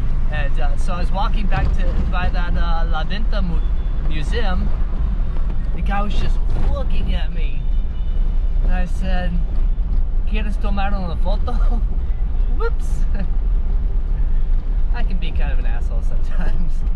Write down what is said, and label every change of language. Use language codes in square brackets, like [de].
[en] And so I was walking back to by that La Venta Museum. The guy was just looking at me. And I said, [es] ¿Quieres tomar una foto? [en] Whoops. I can be kind of an asshole sometimes.